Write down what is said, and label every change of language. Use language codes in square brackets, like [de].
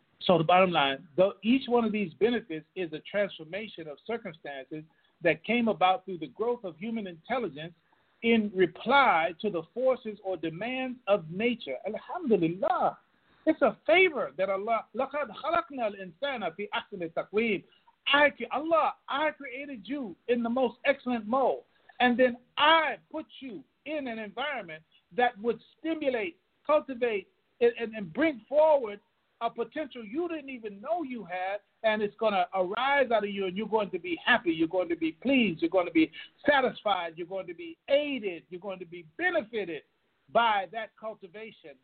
[en] So the bottom line, though, each one of these benefits is a transformation of circumstances that came about through the growth of human intelligence in reply to the forces or demands of nature. Alhamdulillah. It's a favor that Allah, [ar] لَقَدْ خَلَقْنَا الْإِنسَانَ فِي أَحْسَنِ التَّقْوِيمِ. [en] Allah, I created you in the most excellent mold, and then I put you in an environment that would stimulate, cultivate, and bring forward a potential you didn't even know you had, and it's going to arise out of you, and you're going to be happy, you're going to be pleased, you're going to be satisfied, you're going to be aided, you're going to be benefited by that cultivation.